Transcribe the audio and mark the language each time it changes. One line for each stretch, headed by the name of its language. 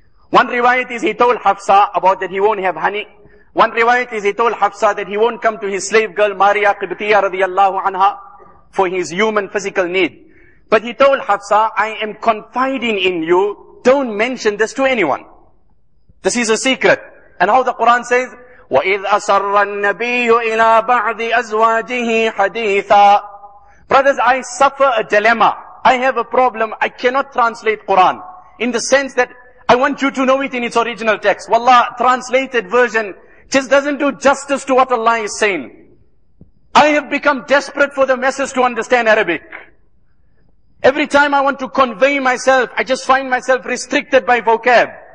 English: One riwayat is he told Hafsa about that he won't have honey. One riwayat is he told Hafsa that he won't come to his slave girl Maria Qibtiya radiallahu anha for his human physical need. But he told Hafsa, I am confiding in you. Don't mention this to anyone. This is a secret. And how the Quran says,
Arabic: وَإِذْ أَصَرَّ النَّبِيُّ إِلَىٰ بَعْضِ أَزْوَاجِهِ حَدِيثًا.
English: Brothers, I suffer a dilemma. I have a problem. I cannot translate Quran. In the sense that I want you to know it in its original text. Wallah, translated version just doesn't do justice to what Allah is saying. I have become desperate for the message to understand Arabic. Every time I want to convey myself, I just find myself restricted by vocab.